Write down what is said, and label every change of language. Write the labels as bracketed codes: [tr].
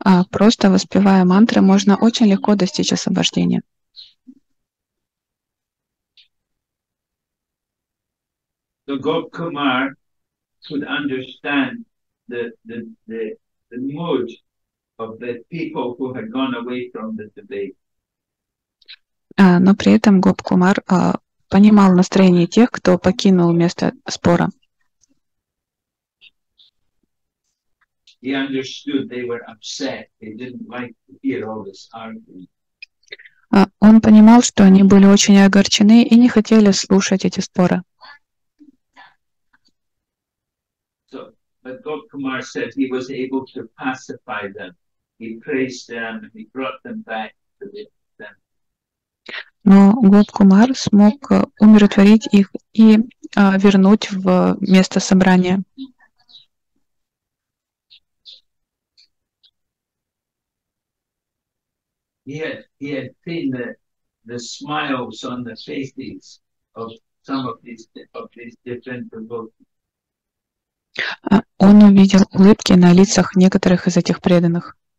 [ru] Просто воспевая мантры, можно очень легко достичь освобождения. [en] So Gop Kumar could understand the mood of the people who had gone away from the debate. [ru] Но при этом Гоп Кумар понимал настроение тех, кто покинул место спора. [en] He understood they were upset. They didn't like to hear all this argument. [ru] Он понимал, что они были очень огорчены и не хотели слушать эти споры. [en] But Gop Kumar said he was able to pacify them. He praised them and he brought them back to the temple. [ru] Но Гоп Кумар смог умиротворить их и вернуть в место собрания. [en] He had seen the smiles on the faces of some of these different devotees. [ru] Он увидел улыбки на лицах некоторых из этих преданных.